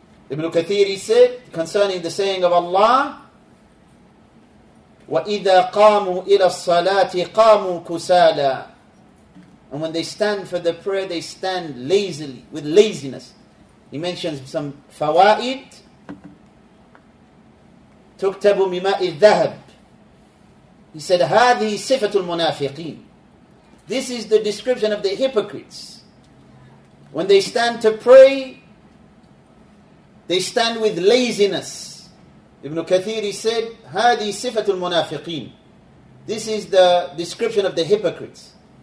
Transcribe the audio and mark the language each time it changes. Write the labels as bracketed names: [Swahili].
[English] Ibn Kathir, he said, concerning the saying of Allah, [Arabic] وَإِذَا قَامُوا إِلَى الصَّلَاةِ قَامُوا كُسَالَى. [English] And when they stand for the prayer, they stand lazily, with laziness. He mentions some fawaid. [Arabic] تُكْتَبُ مِمَاءِ الذَّهَبِ. [English] He said, [Arabic] هَذِهِ صِفَةُ الْمُنَافِقِينَ. [English] This is the description of the hypocrites. When they stand to pray, they stand with laziness. Ibn Kathir, he said, [Arabic] هَذِي صِفَةُ الْمُنَافِقِينَ. [English] This is the description of the hypocrites.